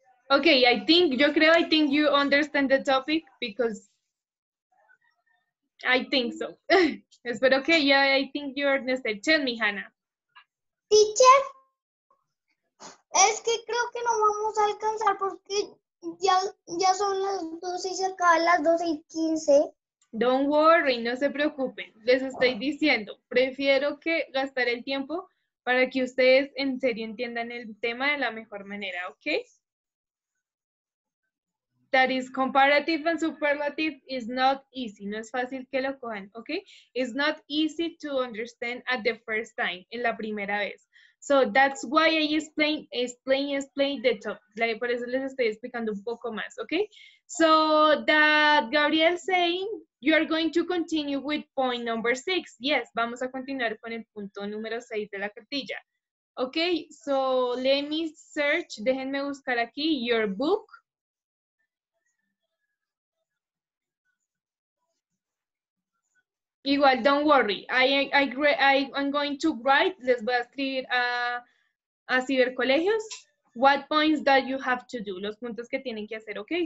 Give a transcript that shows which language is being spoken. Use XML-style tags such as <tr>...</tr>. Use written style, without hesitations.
<en>Okay, I think you understand the topic because I think so. But okay, yeah, I think you understand. Tell me, Hannah. Teacher,</en> <es>es que creo que no vamos a alcanzar porque ya son las 12 y se acaban las 12:15.</es> <en>Don't worry,</en> <es>no se preocupen. Les estoy diciendo, prefiero que gastar el tiempo para que ustedes en serio entiendan el tema de la mejor manera, ¿ok?</es> <en>That is comparative and superlative is not easy.</en> <es>No es fácil que lo cojan, ¿ok?</es> <en>It's not easy to understand at the first time,</en> <es>en la primera vez.</es> <en>So that's why I explain the top.</en> <es>Por eso les estoy explicando un poco más, ¿ok?</es> <en>So that Gabriel saying, you are going to continue with point number 6.</en> <es>Yes, vamos a continuar con el punto número 6 de la cartilla.</es> <en>¿Ok? So let me search,</en> <es>déjenme buscar aquí,</es> <en>your book.</en> <es>Igual,</es> <en>don't worry. I'm going to write,</en> <es>les voy a escribir a Cibercolegios</es> <en>what points that you have to do,</en> <es>los puntos que tienen que hacer, ¿ok?</es>